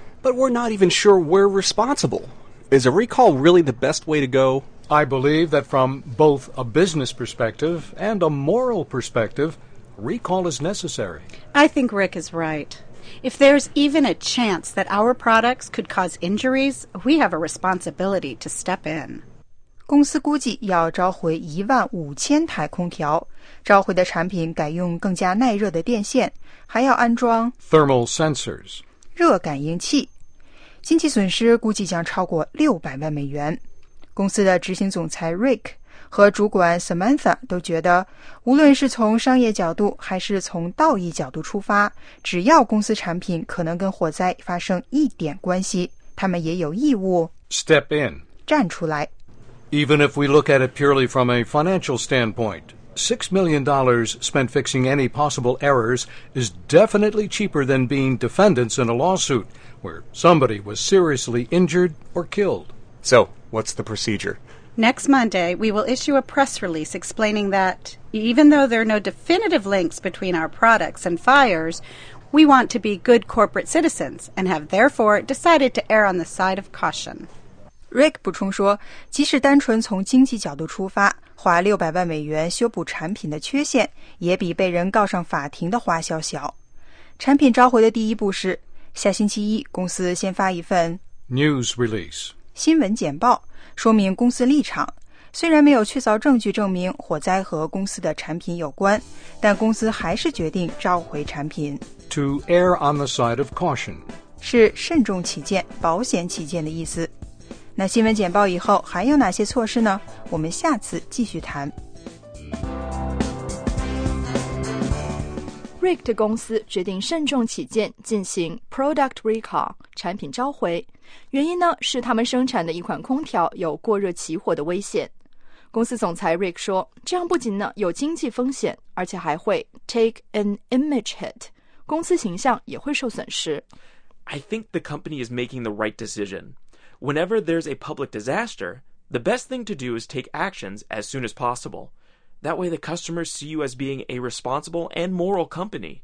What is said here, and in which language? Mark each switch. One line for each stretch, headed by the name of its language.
English: But we're not even sure we're responsible. Is a recall really the best way to go? I believe that from both a business perspective and a moral perspective, recall is necessary. I think Rick is right. If there's even a chance that our products could cause injuries, we have a responsibility to step in.
Chinese: 公司估计要召回15,000台空调，召回的产品改用更加耐热的电线，还要安装
English: thermal sensors,
Chinese: 热感应器。经济损失估计将超过600万美元。公司的执行总裁 Rick 和主管 Samantha 都觉得，无论是从商业角度还是从道义角度出发，只要公司产品可能跟火灾发生一点关系，他们也有义务
English: step in
Chinese: 站出来。
English: Even if we look at it purely from a financial standpoint, $6 million spent fixing any possible errors is definitely cheaper than being defendants in a lawsuit where somebody was seriously injured or killed. So,What's the procedure? Next Monday, we will issue a press release explaining that, even though there are no definitive links between our products and fires, we want to be good corporate citizens and have therefore decided to err on the side of caution.
Chinese: Rick 补充说，即使单纯从经济角度出发，花600万美元修补产品的缺陷，也比被人告上法庭的花销小。产品召回的第一步是，下星期一，公司先发一份
English: news release.
Chinese: 新闻简报说明公司立场，虽然没有确凿证据证明火灾和公司的产品有关，但公司还是决定召回产品。
English: To err on the side of caution
Chinese: 是慎重起见、保险起见的意思。那新闻简报以后还有哪些措施呢？我们下次继续谈。 Rick 的公司决定慎重起见进行 product recall 产品召回，原因呢是他们生产的一款空调有过热起火的危险。公司总裁 Rick 说，这样不仅呢有经济风险，而且还会
English: take an image hit，
Chinese: 公司形象也会受损失。
English: I think the company is making the right decision. Whenever there's a public disaster, the best thing to do is take actions as soon as possible. That way the customers see you as being a responsible and moral company.